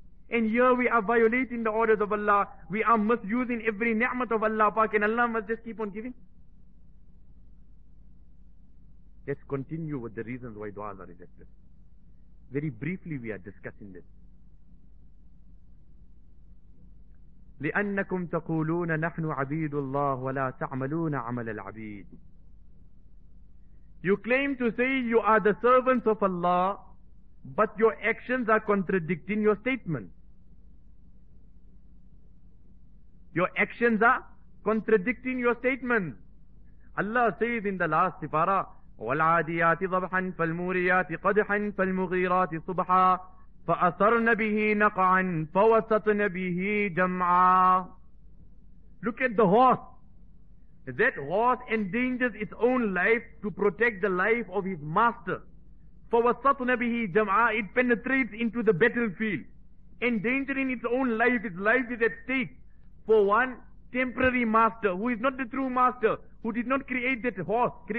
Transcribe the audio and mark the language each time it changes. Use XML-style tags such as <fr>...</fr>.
<en>And here we are violating the orders of Allah. We are misusing every ni'mat of Allah Pak, and Allah must just keep on giving. Let's continue with the reasons why du'as are rejected. Very briefly we are discussing this.</en> <ar>لأنكم تقولون نحن عبيد الله ولا تعملون عمل العبيد.</ar> <en>You claim to say you are the servants of Allah, but your actions are contradicting your statement. Your actions are contradicting your statement. Allah says in the last sifara,</en> <ar>والعاديات ضبحا فالموريات قدحا فالمغيرات صبحا فَأَثَرْنَ بِهِ نَقْعًا فَوَسَطْنَ بِهِ جَمْعًا.</ar> <en>Look at the horse. That horse endangers its own life to protect the life of his master.</en> <ar>فَوَسَطْنَ بِهِ جَمْعًا.</ar> <en>It penetrates into the battlefield. Endangering its own life, its life is at stake for one temporary master who is not the true master, who did not create that horse.</en>